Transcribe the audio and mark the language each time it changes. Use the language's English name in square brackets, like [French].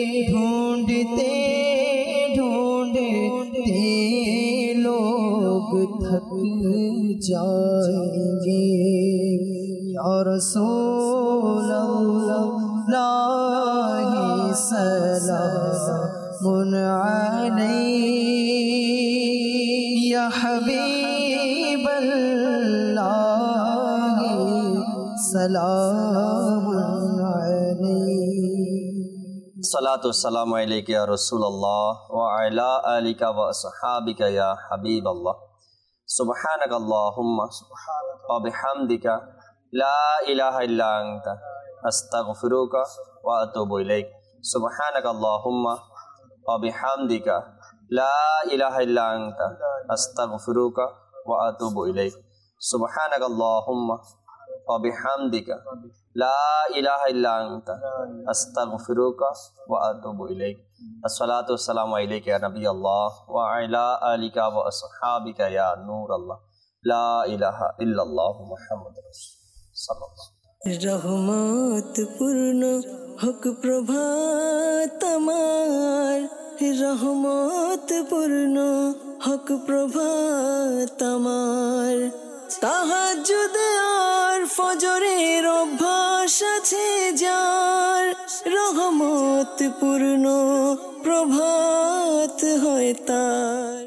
[Urdu] ڈھونڈتے ڈھونڈتے لوگ تھک جائیں گے، یا رسول اللہ [Arabic] اللهم سلام عليك، يا حبيب الله سلام عليك. صلاة والسلام عليك يا رسول الله وعلى آلك وأصحابك يا حبيب الله. سبحانك اللهم وبحمدك لا إله إلا أنت أستغفرك وأتوب إليك. سبحانك اللهم وبحمدك لا إله إلا أنت أستغفرك وأتوب إليك. سبحانك اللهم وبحمدك لا إله إلا أنت أستغفرك وأتوب إليك. الصلاة والسلام عليك يا نبي الله وعلى آلك وأصحابك يا نور الله، لا إله إلا الله محمد رسول الله صلى الله عليه وسلم. [Bangla] রহমত পূর্ণ হক প্রভাত আমার, রহমত পূর্ণ হক প্রভাত আমার, তাহাজ্জুদ আর ফজরের অভ্যাস আছে যার, রহমত পূর্ণ প্রভাত হয় তার।